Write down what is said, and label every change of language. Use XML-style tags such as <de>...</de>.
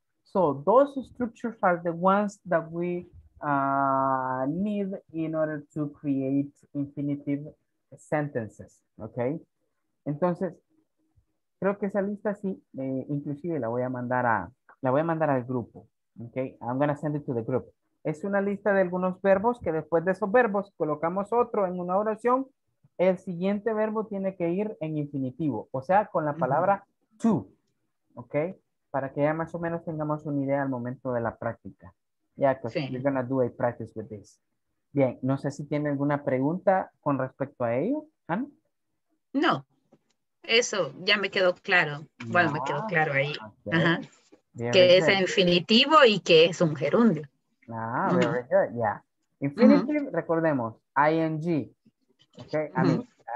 <en>So those structures are the ones that we need in order to create infinitive sentences. Okay.</en> <es>Entonces, creo que esa lista sí, inclusive la voy a mandar al grupo.</es> <en>Okay. I'm going to send it to the group.</en> <es>Es una lista de algunos verbos que después de esos verbos colocamos otro en una oración. El siguiente verbo tiene que ir en infinitivo, o sea, con la palabra to. ¿Ok? Para que ya más o menos tengamos una idea al momento de la práctica.</es> <en>Ya, yeah, because you're going to do a practice with this.</en> <es>Bien, no sé si tiene alguna pregunta con respecto a ello, Han. No, eso ya me quedó claro. Bueno, me quedó claro ahí. Okay. Ajá. Que es infinitivo y que es un gerundio.</es> <en>Ah, very good, yeah. Infinitive, uh-huh.</en> <es>Recordemos,</es> <en>ing. Okay, I mean,</en>